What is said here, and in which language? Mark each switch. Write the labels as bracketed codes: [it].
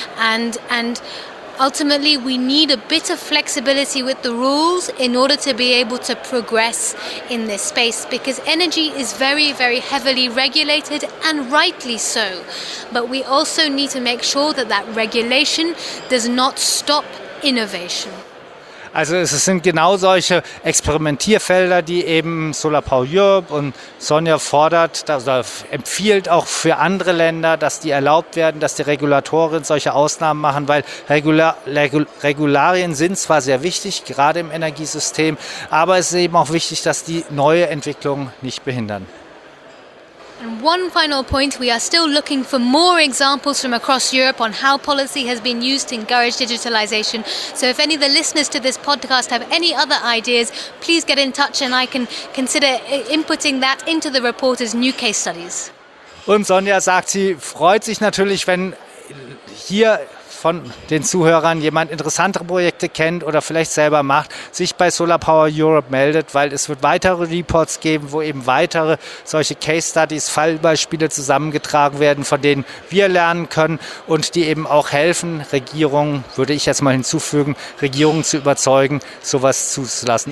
[en] And ultimately, we need a bit of flexibility with the rules in order to be able to progress in this space, because energy is very, very heavily regulated, and rightly so. But we also need to make sure that that regulation does not stop innovation. [de] Also es sind genau solche Experimentierfelder, die eben Solar Power Europe und Sonja fordert, also empfiehlt auch für andere Länder, dass die erlaubt werden, dass die Regulatoren solche Ausnahmen machen, weil Regularien sind zwar sehr wichtig, gerade im Energiesystem, aber es ist eben auch wichtig, dass die neue Entwicklung nicht behindern. [en] And one final point, we are still looking for more examples from across Europe on how policy has been used to encourage digitalization. So if any of the listeners to this podcast have any other ideas, please get in touch and I can consider inputting that into the reporter's new case studies. [de] Und Sonja sagt, sie freut sich natürlich, wenn hier von den Zuhörern jemand interessantere Projekte kennt oder vielleicht selber macht, sich bei Solar Power Europe meldet, weil es wird weitere Reports geben, wo eben weitere solche Case Studies, Fallbeispiele zusammengetragen werden, von denen wir lernen können und die eben auch helfen, Regierungen, würde ich jetzt mal hinzufügen, Regierungen zu überzeugen, sowas zuzulassen.